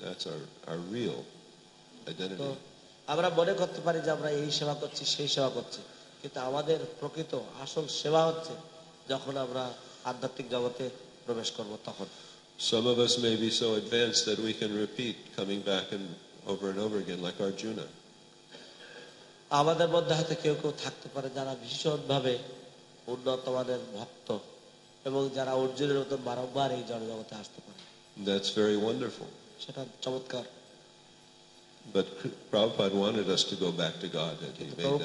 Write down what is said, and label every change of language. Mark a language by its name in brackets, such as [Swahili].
[English] That's our real identity. [Bangla] আমরা মনে করতে পারি যে আমরা এই সেবা করছি সেই সেবা করছি, কিন্তু আমাদের প্রকৃত আসল সেবা হচ্ছে যখন আমরা আধ্যাত্মিক জগতে প্রবেশ করব তখন। [English] Some of us may be so advanced that we can repeat coming back and over again like Arjuna. [Bangla] আমাদের মধ্যে হয়তো কেউ কেউ থাকতে পারে যারা ভীষণ ভাবে উন্নতমানের ভক্ত এবং যারা অর্জুনের মতো বারবার এই জড়জগতে আসতে পারে। [English] That's very wonderful. [Bangla] সেটা চমৎকার। [English] But Prabhupada wanted us to go back to God and he made